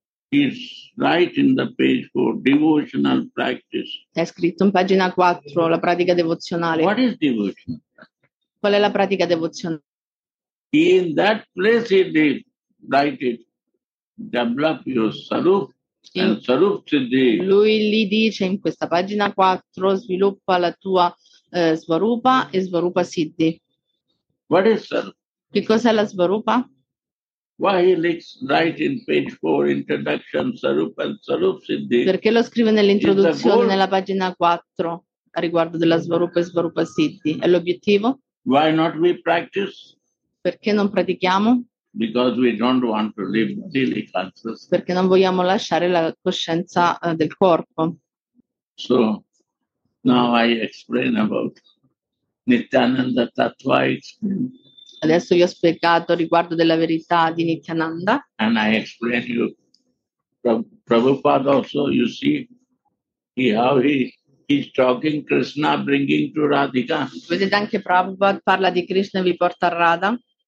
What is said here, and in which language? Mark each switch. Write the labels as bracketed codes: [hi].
[en] It's right in the page for devotional practice. [it] È scritto in pagina 4, la pratica devozionale. [en] What is devotion? [it] Qual è la pratica devozionale? [en] In that place he did write it, develop your sarup and sarup siddhi. [it] Lui li dice in questa pagina 4, sviluppa la tua svarupa e svarupa siddhi. [en] What is sarup? [it] Che cos'è la svarupa? [en] Why he likes write in page 4 introduction sarup and sarup siddhi? [it] Perché lo scrive nell'introduzione nella pagina 4 a riguardo della svarupa e svarupa siddhi? È l'obiettivo? [en] Why not we practice? [it] Perché non pratichiamo? [en] Because we don't want to live daily consciousness. [it] Perché non vogliamo lasciare la coscienza del corpo. [en] So, now I explain about Nityananda Tattva. [it] Adesso vi ho spiegato riguardo della verità di Nityananda. [en] And I explain you, Prabhupada also, you see, he's talking Krishna bringing to Radhika. [it] Vedete anche Prabhupada parla di Krishna e vi porta a Radha.